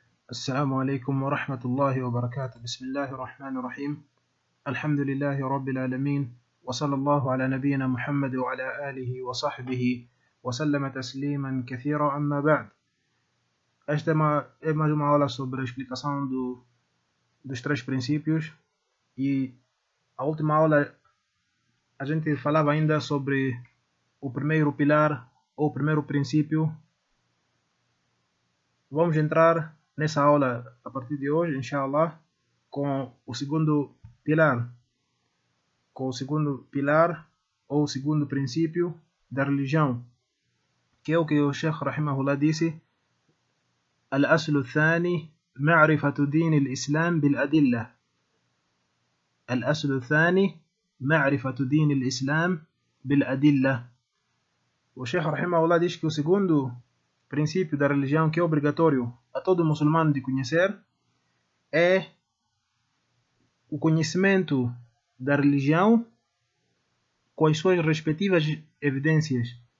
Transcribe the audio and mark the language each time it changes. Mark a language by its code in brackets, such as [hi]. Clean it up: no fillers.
[ar] السلام عليكم ورحمة الله وبركاته. بسم الله الرحمن الرحيم. الحمد لله رب العالمين، وصلى الله على نبينا محمد وعلى آله وصحبه وسلم تسليما كثيرا. أما بعد، [pt] esta é mais uma aula sobre a explicação dos três princípios. E a última aula a gente falava ainda sobre o primeiro pilar ou o primeiro princípio. Vamos entrar nessa aula a partir de hoje, inshallah, com o segundo pilar, com o segundo pilar ou o segundo princípio da religião, que é o que o Sheikh Rahimahullah disse: [ar] الأصل الثاني معرفة دين الإسلام بالأدلة. الأصل الثاني معرفة دين الإسلام بالأدلة. والشيخ رحمه الله [pt] diz que o segundo princípio da religião que é obrigatório a todo muçulmano de conhecer é o conhecimento da religião com as suas respectivas evidências.